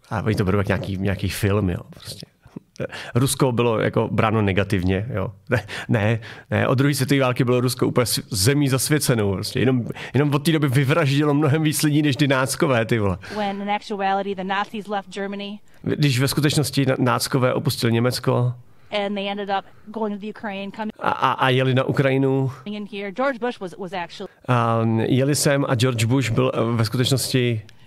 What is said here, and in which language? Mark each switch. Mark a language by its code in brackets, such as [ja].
[cs] A oni to budou jak nějaký film, jo, prostě. Rusko bylo jako bráno negativně, jo. Ne, od druhé světové války bylo Rusko úplně zemí zasvěcenou, prostě. Jenom od té doby vyvraždilo mnohem víc lidí než náckové, ty vole. [en] When in actuality the Nazis left Germany. [cs] Když ve skutečnosti náckové opustili Německo. [en] And they ended up going to the Ukraine, coming... [cs] a jeli na Ukrajinu. [en] George Bush was actually... [cs] jeli sem a George Bush byl ve skutečnosti...